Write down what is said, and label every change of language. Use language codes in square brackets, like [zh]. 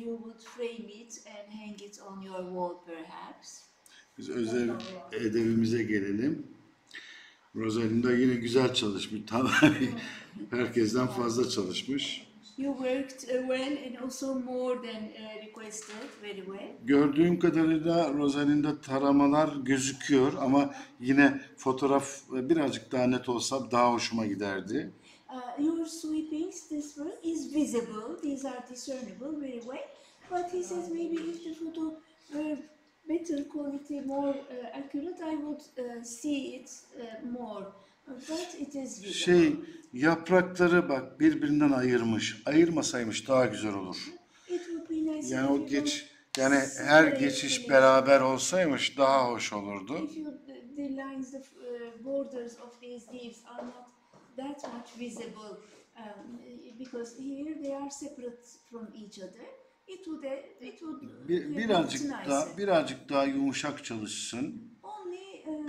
[en] You would frame it and hang it on your wall perhaps. [tr] Biz özel edebimize gelelim. Rosalinda yine güzel çalışmış. Herkesten fazla çalışmış. [en] You worked well and also more than requested, very well. [tr] Gördüğüm kadarıyla Rosalinda taramalar gözüküyor ama yine fotoğraf birazcık daha net olsa daha hoşuma giderdi. [en] Your sweepings, this one is visible, these are discernible, very well. But he says maybe if the photo better quality, more accurate, I would see it more. [tr] Şey, yaprakları bak birbirinden ayırmış. Ayırmasaymış daha güzel olur. Yani o geç, yani her geçiş beraber olsaymış daha hoş olurdu. [en] The lines, the borders of these leaves are not that much visible because here they are separate from each other. It would [tr] birazcık daha yumuşak çalışsın. [en] Only,